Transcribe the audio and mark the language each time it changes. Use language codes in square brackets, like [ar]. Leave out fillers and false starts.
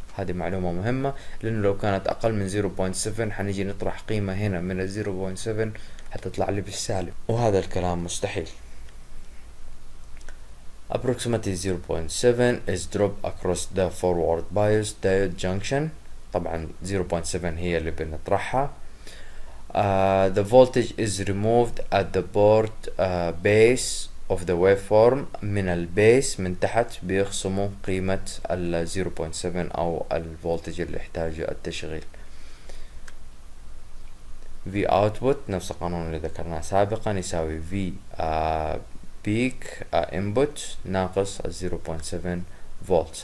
[ar] هذه معلومة مهمة، لأنه لو كانت أقل من 0.7 حنيجي نطرح قيمة هنا من 0.7 حتطلع لي بالسالب، وهذا الكلام مستحيل. [en] Approximately 0.7 is dropped across the forward bias diode junction. [ar] طبعا 0.7 هي اللي بنطرحها. [en] The voltage is removed at the board base of the waveform. [ar] من البيس من تحت بيخصموا قيمة ال 0.7 أو الفولتج اللي يحتاج التشغيل. V output نفس القانون اللي ذكرناه سابقا يساوي V peak input ناقص 0.7 فولت.